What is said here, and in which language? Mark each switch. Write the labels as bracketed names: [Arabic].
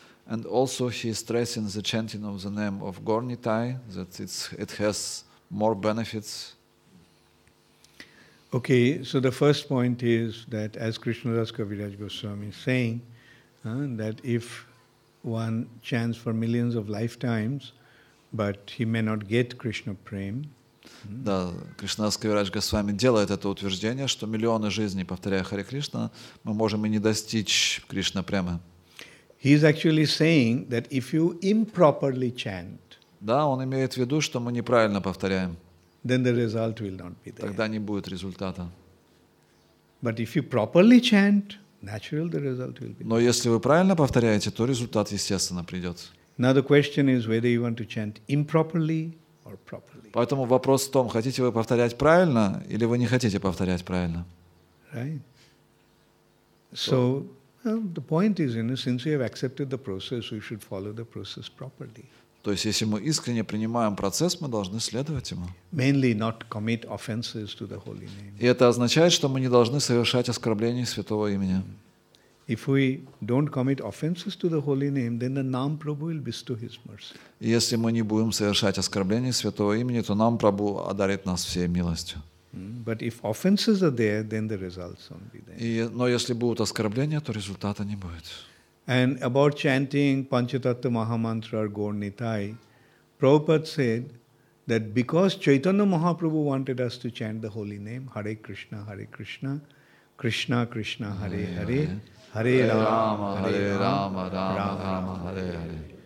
[English] And also he is stressing the chanting of the name of Gornitai, that it has more benefits. Okay, so the first point is that as Krishnadas Kaviraj Goswami is saying, that if one chants for millions of lifetimes, but he may not get Krishna prema. [Russian] Да, Кришнадас Кавирадж Госвами делает это утверждение, что миллионы жизней, повторяя Хари Кришна, мы можем и не достичь Кришна прямо. [English] He is actually saying that if you improperly chant, [Russian] да, он имеет в виду, что мы неправильно повторяем, [English] then the result will not be there. [Russian] Тогда не будет результата. [English] But if you properly chant, naturally the result will be there. [Russian] Но если вы правильно повторяете, то результат естественно придет. [English] Now the question is whether you want to chant improperly or properly. [Russian] Поэтому вопрос в том, хотите вы повторять правильно или вы не хотите повторять правильно. [English] Right. So. Well, the point is, you know, since we have accepted the process, we should follow the process properly. [Russian] То есть, если мы искренне принимаем процесс, мы должны следовать ему. [English] Mainly not commit offenses to the holy name. [Russian] И это означает, что мы не должны совершать оскорблений святого имени. [English] If we don't commit offenses to the holy name, then the Nam Prabhu will bestow his mercy. [Russian] Если мы не будем совершать оскорблений святого имени, то Нам Прабху одарит нас всей милостью. [English] But if offenses are there, then the results won't be there. [Russian] Но если будут оскорбления, то результата не будет. [English] And about chanting Panchatattva Mahamantra or Gaur Nitai, Prabhupada said that because Chaitanya Mahaprabhu wanted us to chant the holy name, Hare Krishna, Hare Krishna, Krishna, Krishna, Hare Hare, Hare Rama, Hare Rama, Rama Rama, Hare Hare.